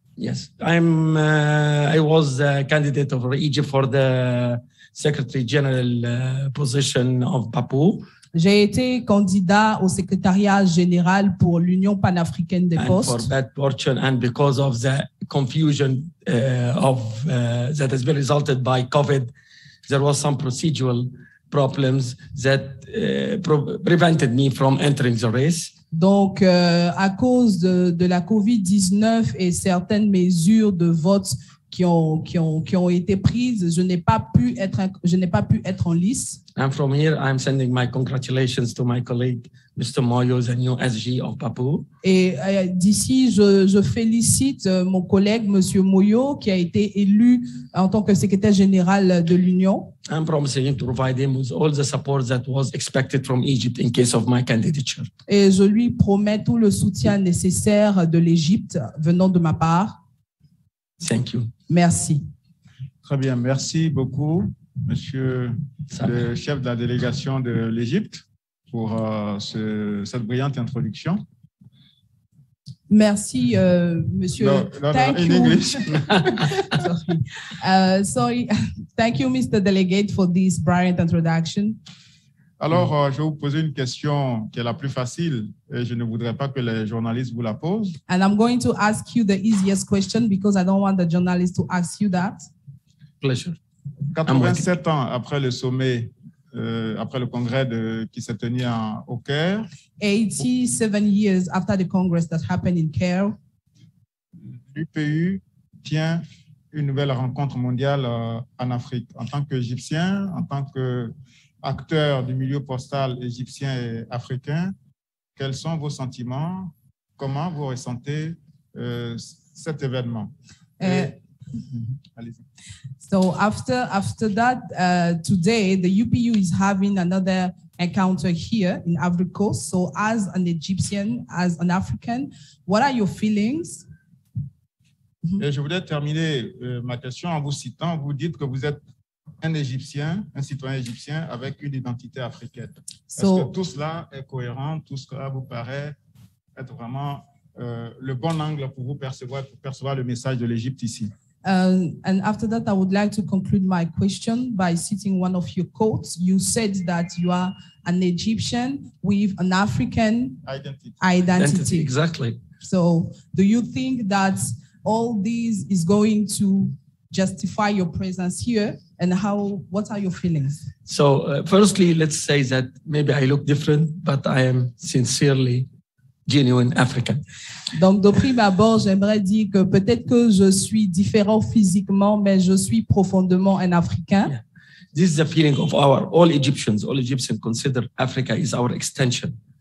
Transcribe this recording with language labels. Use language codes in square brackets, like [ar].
[en] Yes, I was a candidate of Egypt for the Secretary General position of PAPU. [fr] J'ai été candidat au secrétariat général pour l'Union panafricaine des postes. [en] And for bad fortune and because of the confusion that has been resulted by COVID, there was some procedural problems that prevented me from entering the race. [fr] Donc, à cause de la COVID-19 et certaines mesures de vote qui ont été prises, je n'ai pas pu être en lice. [en] And from here, I'm sending my congratulations to my colleague, Mr. Moyo, the new SG of Papou. [fr] Et d'ici, je félicite mon collègue, Monsieur Moyo, qui a été élu en tant que secrétaire général de l'Union. [en] I'm promising to provide him with all the support that was expected from Egypt in case of my candidature. [fr] Et je lui promets tout le soutien nécessaire de l'Égypte venant de ma part. [en] Thank you. [fr] Merci. Très bien, merci beaucoup, Monsieur le chef de la délégation de l'Égypte, pour cette brillante introduction. Merci, Monsieur. [en] Thank you. In English. sorry. Thank you, Mr. Delegate, for this brilliant introduction. [fr] Alors, je vais vous poser une question qui est la plus facile et je ne voudrais pas que les journalistes vous la posent. [en] And I'm going to ask you the easiest question because I don't want the journalists to ask you that. Pleasure. [fr] 87 ans après le sommet, après le congrès qui s'est tenu au Caire. [en] 87 years after the congress that happened in Caire. [fr] L'UPU tient une nouvelle rencontre mondiale en Afrique. En tant qu'Égyptien, en tant que acteurs du milieu postal égyptien et africain, quels sont vos sentiments? Comment vous ressentez cet événement? [en] So after that, today the UPU is having another encounter here in Ivory Coast. So as an Egyptian, as an African, what are your feelings? [fr] Et je voulais terminer ma question en vous citant. Vous dites que vous êtes un Égyptien, un citoyen égyptien avec une identité africaine. So, est-ce que tout cela est cohérent, tout cela vous paraît être vraiment le bon angle pour vous percevoir le message de l'Égypte ici? [en] And after that, I would like to conclude my question by citing one of your quotes. You said that you are an Egyptian with an African identity. Exactly. So do you think that all this is going to justify your presence here? And what are your feelings? So firstly, let's say that maybe I look different, but I am sincerely genuine African. [fr] Donc de prime abord, j'aimerais dire que peut-être que je suis différent physiquement, mais je suis profondément un Africain. [en] Yeah. This is the feeling of all Egyptians consider Africa is our extension.